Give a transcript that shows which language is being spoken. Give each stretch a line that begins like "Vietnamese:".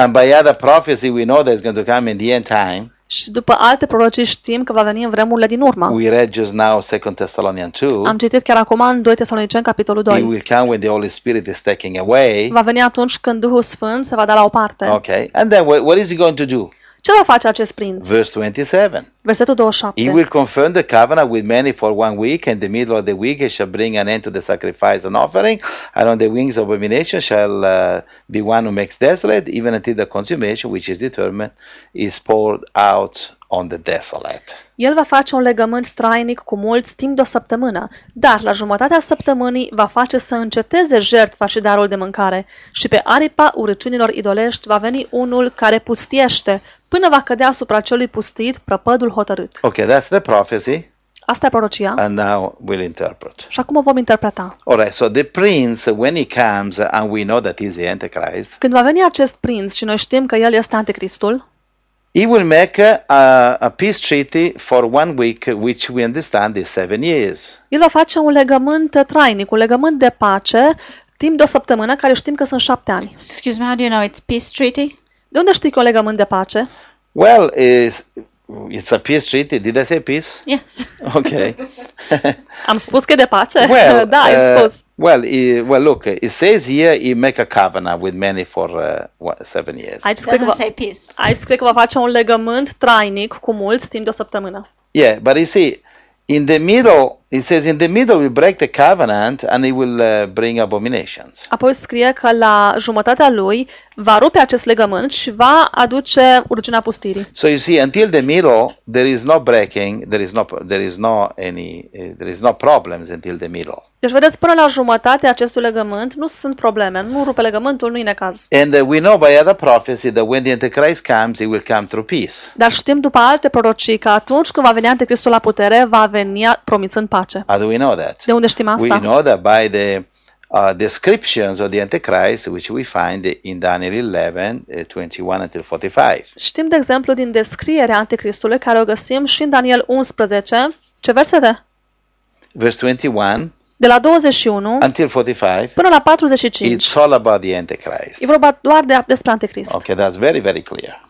English: And by other prophecy we know that it's going to come in the end time.
Romanian: Și după alte prorocii știm că va veni în vremurile din urmă.
English: We read just now 2 Thessalonians 2.
Romanian: Am citit chiar acum în 2 Tesaloniceni capitolul 2.
English: It will come when the Holy Spirit is taken away.
Romanian: Va veni atunci când Duhul Sfânt se va da la o parte.
English: Okay. And then what is he going to do?
Romanian: Ce va face acest prinț?
English: Verse 27.
Romanian: Versetul 27.
English: He will confirm the covenant with many for 1 week, and in the middle of the week he shall bring an end to the sacrifice and offering, and on the wings of abomination shall be one who makes desolate, even until the consummation, which is determined, is poured out on the desolate.
Romanian: El va face un legământ trainic cu mulți timp de o săptămână, dar la jumătatea săptămânii va face să înceteze jertfa și darul de mâncare și pe aripa urăciunilor idolești va veni unul care pustiește până va cădea asupra celui pustit prăpădul hotărât.
English: Okay, that's the prophecy.
Romanian: Asta e prorocia.
English: And now we'll interpret.
Romanian: Și acum o vom interpreta.
English: All right, so the prince, when he comes, and we know that he's the Antichrist.
Romanian: Când va veni acest prinț și noi știm că el este Antichristul,
English: he will make a peace treaty for 1 week, which we understand is 7 years.
Romanian: El va face un legământ trainic, un legământ de pace, timp de o săptămână, care știm că sunt 7 ani.
English: Excuse me, how do you know it's peace treaty?
Romanian: De unde știi că un legământ de pace?
English: Well, It's a peace treaty. Did I say peace? Yes. Okay.
Romanian: Am spus că de pace. Well, da, ai spus.
English: Well, well, look, it says here he make a covenant with many for 7 years. I just doesn't say peace. I just
Romanian: cred că va face un legământ trainic cu mulți timp de o săptămână.
English: Yeah, but you see, in the middle, it says in the middle we break the covenant and he will bring abominations.
Romanian: Apoi scrie că la jumătatea lui va rupe acest legământ și va aduce urgina pustirii.
English: So you see, until the middle there is no breaking, there is no problems until the middle.
Romanian: Deci vedeți, până la jumătatea acestui legământ nu sunt probleme, nu rupe legământul, nu-i necaz.
English: And we know by other prophecy that when the Antichrist comes, he will come through peace.
Romanian: Dar știm după alte prorocii că atunci când va veni Antichristul la putere, va veni promițând pace.
English: How do we know that?
Romanian: De unde știm asta?
English: We know that by the descriptions of the Antichrist, which we find in Daniel 11, 21 until 45.
Romanian: Știm, de exemplu, din descrierea Antichristului, care o găsim și în Daniel 11, ce versete?
English: Verse 21.
Romanian: De la 21
English: until 45,
Romanian: până la 45.
English: It's all about the Antichrist.
Romanian: E vorba doar despre Antichrist.
English: Okay, that's very, very clear.